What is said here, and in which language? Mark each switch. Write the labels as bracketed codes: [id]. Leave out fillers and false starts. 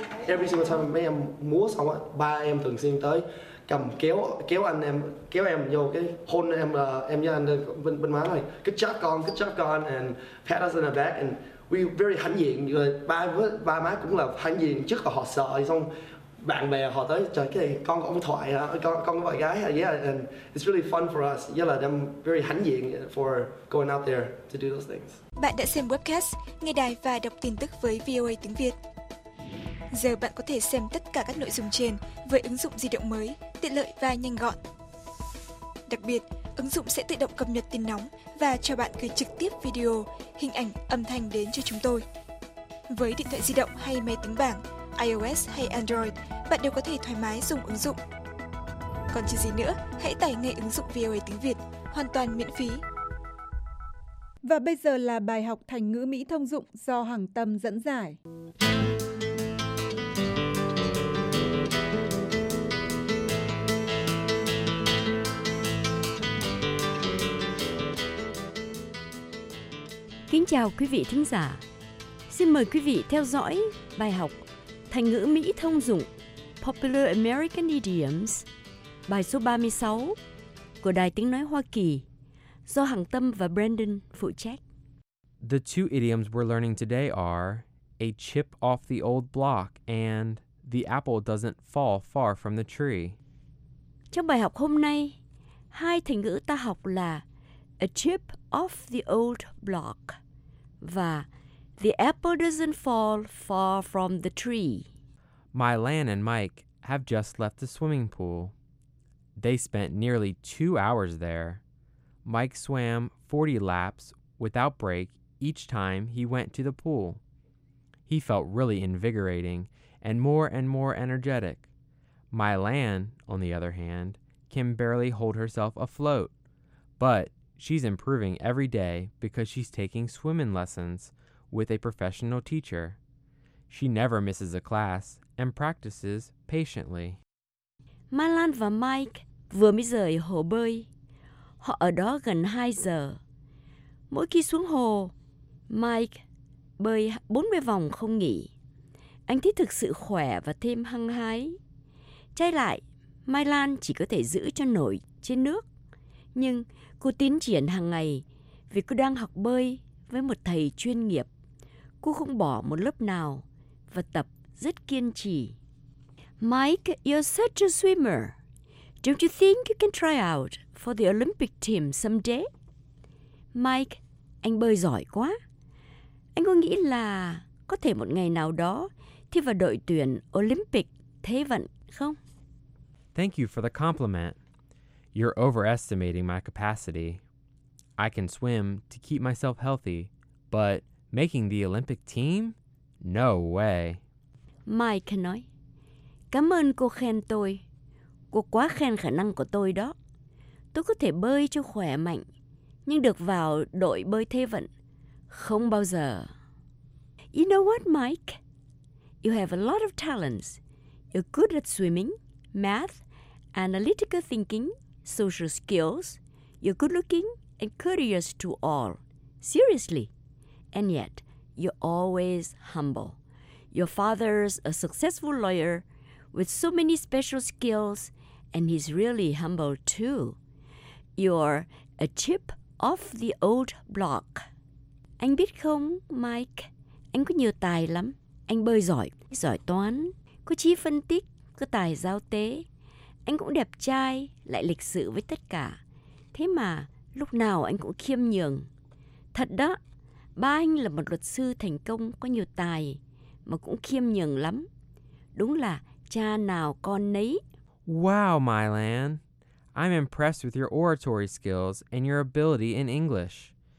[en] Every single time [vi] mấy em múa xong, ba em thường xuyên tới cầm kéo anh em, kéo em vô cái hôn em, là em với anh bên má này, kích chát con [en] and pat us in the back and we very [vi] hãnh diện. Ba với ba má cũng là hãnh diện trước, là họ sợ, xong bạn bè họ tới trời cái này con có ông thoại hả, con có bạn gái hả. [en] Yeah, and it's really fun for us. Yeah, là I'm very [vi] hãnh diện [en] for going out there to do those things. [vi] Bạn đã xem webcast nghe đài và đọc tin tức với VOA tiếng Việt. Giờ bạn có thể xem tất cả các nội dung trên với ứng dụng di động mới, tiện lợi và nhanh gọn. Đặc biệt, ứng dụng sẽ tự động cập nhật tin nóng và cho bạn gửi trực tiếp video, hình ảnh, âm thanh đến cho chúng tôi. Với điện thoại di động hay máy tính bảng, iOS hay Android, bạn đều có thể thoải mái dùng ứng dụng. Còn chờ gì nữa, hãy tải ngay ứng dụng VOA tiếng Việt, hoàn toàn miễn phí. Và bây giờ là bài học thành ngữ Mỹ thông dụng do Hằng Tâm dẫn giải. Kính chào quý vị thính giả. Xin mời quý vị theo dõi bài học Thành ngữ Mỹ thông dụng [en] Popular American Idioms, [vi] bài số 36 của Đài Tiếng Nói Hoa Kỳ do Hằng Tâm và Brandon phụ trách. [en] The two idioms we're learning today are a chip off the old block and the apple doesn't fall far from the tree. [vi] Trong bài học hôm nay, hai thành ngữ ta học là [en] a chip off the old block [vi] và [en] the apple doesn't fall far from the tree. My Lan and Mike have just left the swimming pool. They spent nearly 2 hours there. Mike swam 40 laps without break each time he went to the pool. He felt really invigorating and more energetic. My Lan, on the other hand, can barely hold herself afloat. But she's improving every day because she's taking swimming lessons with a professional teacher. She never misses a class and practices patiently. [vi] My Lan và Mike vừa mới rời hồ bơi. Họ ở đó gần 2 giờ. Mỗi khi xuống hồ, Mike bơi 40 vòng không nghỉ. Anh thấy thực sự khỏe và thêm hăng hái. Trái lại, My Lan chỉ có thể giữ cho nổi trên nước. Nhưng cô tiến triển hàng ngày vì cô đang học bơi với một thầy chuyên nghiệp. Cô không bỏ một lớp nào và tập rất kiên trì. [en] Mike, you're such a swimmer. Don't you think you can try out for the Olympic team someday? [vi] Mike, anh bơi giỏi quá. Anh có nghĩ là có thể một ngày nào đó thi vào đội tuyển Olympic thế vận không? [en] Thank you for the compliment. You're overestimating my capacity. I can swim to keep myself healthy, but making the Olympic team? No way. [vi] Mike nói, cảm ơn cô khen tôi. Cô quá khen khả năng của tôi đó. Tôi có thể bơi cho khỏe mạnh, nhưng được vào đội bơi thế vận, không bao giờ. [en] You know what, Mike? You have a lot of talents. You're good at swimming, math, analytical thinking, social skills. You're good looking and courteous to all. Seriously. And yet, you're always humble. Your father's a successful lawyer with so many special skills, and he's really humble too. You're a chip off the old block. [vi] Anh biết không, Mike? Anh có nhiều tài lắm. Anh bơi giỏi, giỏi toán, có trí phân tích, có tài giao tế. Anh cũng đẹp trai, lại lịch sự với tất cả. Thế mà, lúc nào anh cũng khiêm nhường. Thật đó, ba anh là một luật sư thành công, có nhiều tài, mà cũng khiêm nhường lắm. Đúng là cha nào con nấy. [en] Wow, My Lan. I'm impressed with your oratory skills and your ability in English.